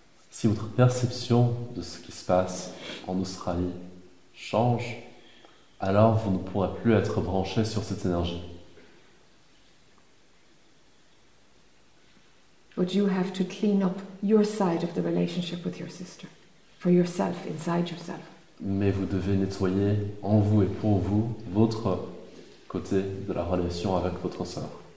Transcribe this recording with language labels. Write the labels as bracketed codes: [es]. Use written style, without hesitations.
[fr] Si votre perception de ce qui se passe en Australie change, alors vous ne pourrez plus être branché sur cette énergie. [en] But you have to clean up your side of the relationship with your sister, for yourself, inside yourself. [fr] Mais vous devez nettoyer en vous et pour vous votre côté de la relation avec votre sœur.